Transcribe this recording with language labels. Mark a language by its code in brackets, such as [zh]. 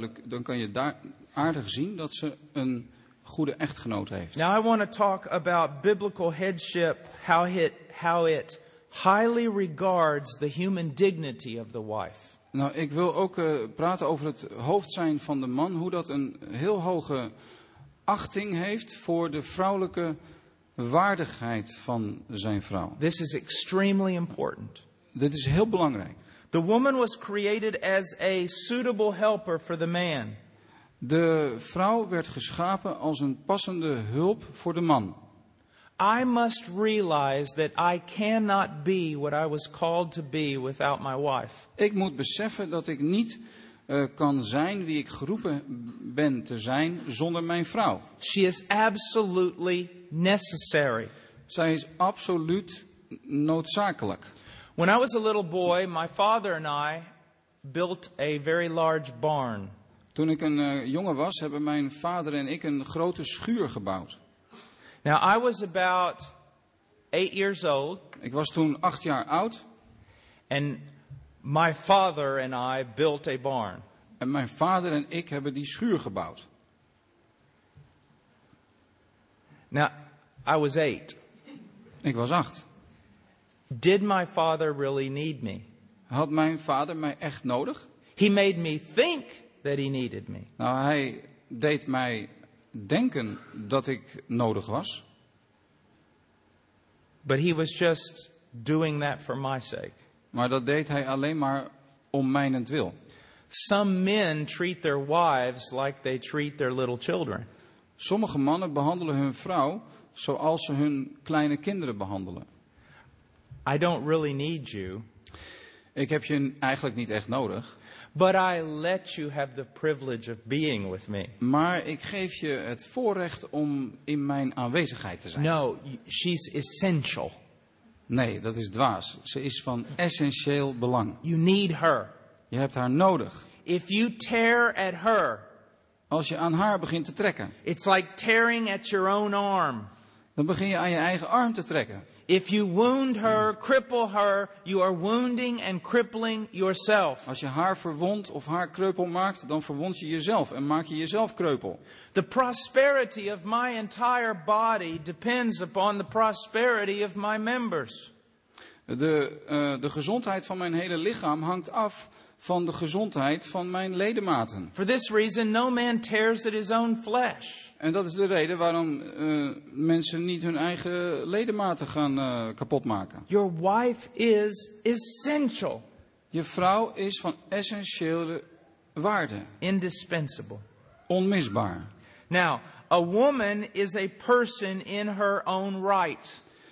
[nl] Dan kan je heel duidelijk zien dat ze een goede echtgenoot heeft. [en] Now I want to talk about biblical headship, how it highly regards the human dignity of the wife. [nl] Nou, ik wil ook praten over het hoofd zijn van de man, hoe dat een heel hoge achting heeft voor de vrouwelijke waardigheid van zijn vrouw. [en] This is extremely important. [nl] Dit is heel belangrijk. [en] The woman was created as a suitable helper for the man. [nl] De vrouw werd geschapen als een passende hulp voor de man. [en] I must realize that I cannot be what I was called to be without my wife. [nl] Ik moet beseffen dat ik niet kan zijn wie ik geroepen ben te zijn zonder mijn vrouw. [en] She is absolutely necessary. [nl] Zij is absoluut noodzakelijk. [en] When I was a little boy, my father and I built a very large barn. [nl] Toen ik een jongen was, hebben mijn vader en ik een grote schuur gebouwd. [en] Now I was about 8 years old. [nl] Ik was toen 8 jaar oud. [en] And my father and I built a barn. [nl] En mijn vader en ik hebben die schuur gebouwd. [en] Now I was 8. [nl] Ik was 8. [en] Did my father really need me? [nl] Had mijn vader mij echt nodig? [en] He made me think that he needed me. [nl] Nou, hij deed mij denken dat ik nodig was. [en] But he was just doing that for my sake. [nl] Maar dat deed hij alleen maar om mijnentwil. [en] Some men treat their wives like they treat their little children. [nl] Sommige mannen behandelen hun vrouw zoals ze hun kleine kinderen behandelen. [en] I don't really need you. [nl] Ik heb je eigenlijk niet echt nodig. [en] But I let you have the privilege of being with me. [nl] Maar ik geef je het voorrecht om in mijn aanwezigheid te zijn. [en] No, she's essential. [nl] Nee, dat is dwaas. Ze is van essentieel belang. [en] You need her. [nl] Je hebt haar nodig. [en] If you tear at her, [nl] als je aan haar begint te trekken, [en] it's like tearing at your own arm. [nl] Dan begin je aan je eigen arm te trekken. [en] If you wound her, cripple her, you are wounding and crippling yourself. [nl] Als je haar verwondt of haar kreupel maakt, dan verwond je jezelf en maak je jezelf kreupel. [en] The prosperity of my entire body depends upon the prosperity of my members. [nl] De gezondheid van mijn hele lichaam hangt af van de gezondheid van mijn ledematen. [en] For this reason, no man tears at his own flesh. [nl] En dat is de reden waarom mensen niet hun eigen ledematen gaan kapotmaken. [en] Your wife is essential. [nl] Je vrouw is van essentiële waarde. [en] Indispensable. [nl] Onmisbaar. [en] Now, a woman is a person in her own right.